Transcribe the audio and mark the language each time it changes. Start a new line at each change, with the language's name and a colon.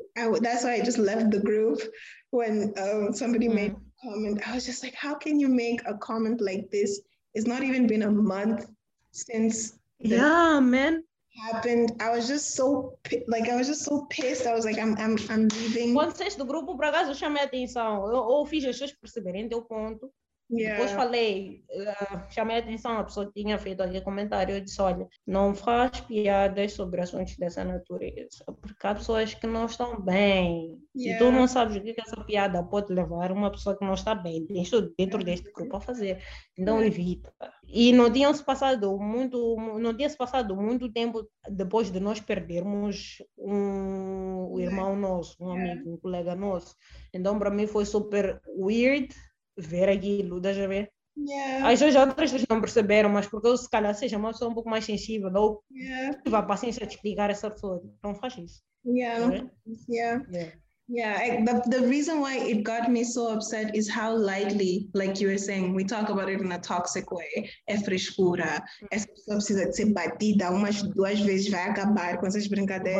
English: That's why I just left the group when somebody made... comment. I was just like, how can you make a comment like this? It's not even been a month since happened. I was just so pissed. I was like, I'm leaving.
Portuguese: Vocês do grupo, por acaso, chamei a atenção. Eu fiz as pessoas perceberem teu ponto. Depois falei, chamei a atenção, a pessoa tinha feito aquele comentário, eu disse, olha, não faz piadas sobre assuntos dessa natureza, porque há pessoas que não estão bem, e tu não sabes o que essa piada pode levar uma pessoa que não está bem, tens tudo dentro deste grupo a fazer, então evita. E não tinha se passado muito tempo depois de nós perdermos um irmão nosso, um amigo, um colega nosso, então para mim foi super weird, ver aquilo, deixa eu ver. As outras pessoas não perceberam, mas porque eu, se calhar, seja uma pessoa um pouco mais sensível, ou tive a paciência de explicar essa pessoa. Então faz isso.
English: The reason why it got me so upset is how lightly, like you were saying, we talk about it in a toxic way.
Portuguese: É frescura. Essa pessoa precisa de ser batida umas duas vezes, vai acabar com essas brincadeiras.